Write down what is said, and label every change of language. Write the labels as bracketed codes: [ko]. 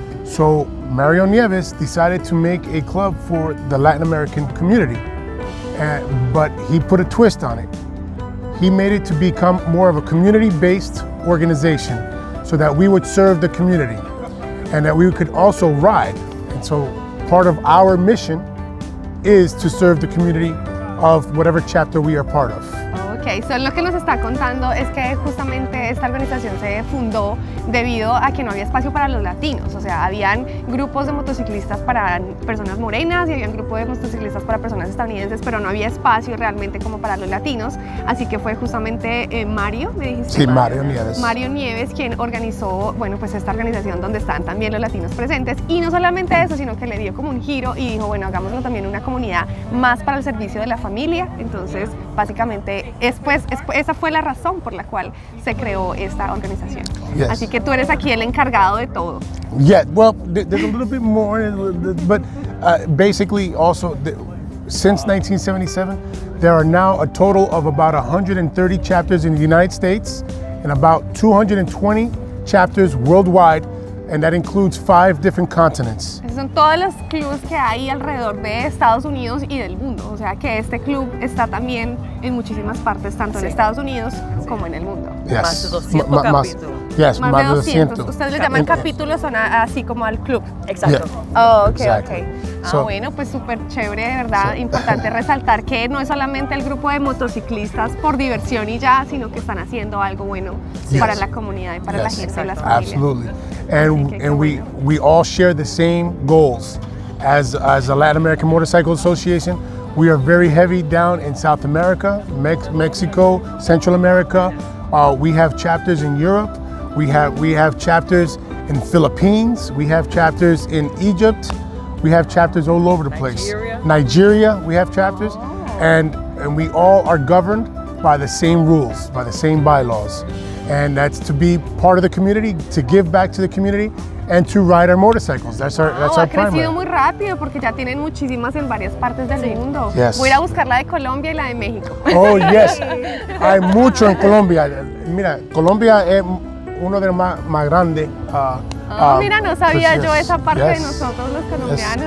[en] So Mario Nieves decided to make a club for the Latin American community, but he put a twist on it. He made it to become more of a community-based organization so that we would serve the community and that we could also ride. And so part of our mission is to serve the community of whatever chapter we are part of. [es] Okay, so lo que nos está contando es que justamente esta organización se fundó debido a que no había espacio para los latinos. O sea, habían grupos de motociclistas para personas morenas y habían grupos de motociclistas para personas estadounidenses, pero no había espacio realmente como para los latinos. Así que fue justamente Mario, me dijiste. Sí, Mario Nieves. Mario Nieves quien organizó, bueno, pues esta organización donde están también los latinos presentes. Y no solamente eso, sino que le dio como un giro y dijo, bueno, hagámoslo también una comunidad más para el servicio de la familia. Entonces, básicamente, esa fue la razón por la cual se creó esta organización. [en] Yes. [es] Así que tú eres aquí el encargado de todo. [en] Yeah, well, there's a little bit more, but basically also, since 1977, there are now a total of about 130 chapters in the United States and about 220 chapters worldwide, and that includes 5 different continents. [es] Esos son todos los clubes que hay alrededor de Estados Unidos y del mundo. O sea que este club está también en muchísimas partes, tanto en Estados Unidos como en el mundo. Yes. Más de 200 capítulos. [en] Yes, [es] más de 200. Ustedes le llaman capítulos, son así como al club. Exacto. Yeah. [en] Oh, okay, exactly. [es] Okay. Ah, bueno, pues súper chévere, de verdad. So, importante resaltar que no es solamente el grupo de motociclistas por diversión y ya, sino que están haciendo algo bueno para la comunidad y para la gente, las familias. [en] Absolutely. And we all share the same goals. As the Latin American Motorcycle Association, we are very heavy down in South America, Mexico, Central America. We have chapters in Europe. We have chapters in Philippines. We have chapters in Egypt. We have chapters all over the place. Nigeria, we have chapters. And we all are governed by the same rules, by the same bylaws. And that's to be part of the community, to give back to the community, and to ride our motorcycles. That's our primary. [es] Ha crecido muy rápido porque ya tienen muchísimas en varias partes del mundo. [en] Yes. [es] Voy a buscar la de Colombia y la de México. Oh, yes. Hay mucho en Colombia. Mira, Colombia es uno de los más grandes. Mira, no sabía yo esa parte de nosotros, los colombianos.